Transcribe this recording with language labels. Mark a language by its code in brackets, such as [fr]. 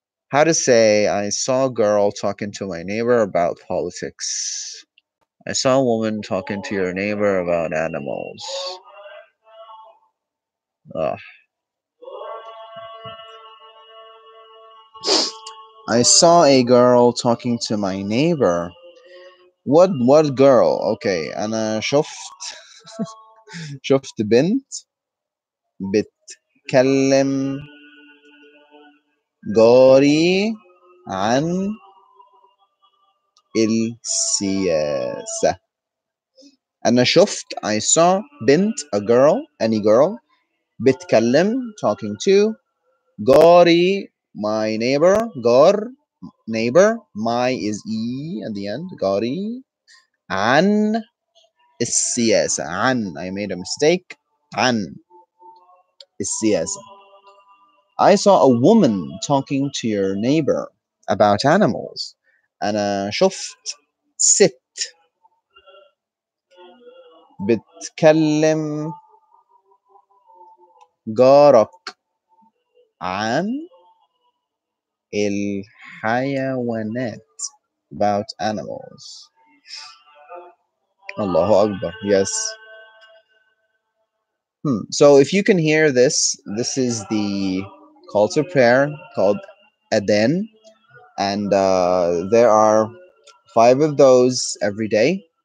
[en] How to say, I saw a girl talking to my neighbor about politics. I saw a woman talking to your neighbor about animals. Ugh. I saw a girl talking to my neighbor. What girl? [ar] Okay, أنا شفت شفت بنت بتكلم جاري عن السياسة. أنا شفت, [en] I saw [ar] بنت, [en] a girl, any girl, [ar] بتكلم, [en] talking to, [ar] جاري, [en] my neighbor, [ar] جار, [en] neighbor, my is E at the end, [ar] جاري, عن السياسة, عن, [en] I made a mistake, [ar] عن السياسة. [en] I saw a woman talking to your neighbor about animals. [ar] أنا شفت ست بتكلم جارك عن الحيوانات, [en] about animals. [ar] الله أكبر. Yes. [en] So if you can hear this, this is the call to prayer called Adhan, and there are 5 of those every day.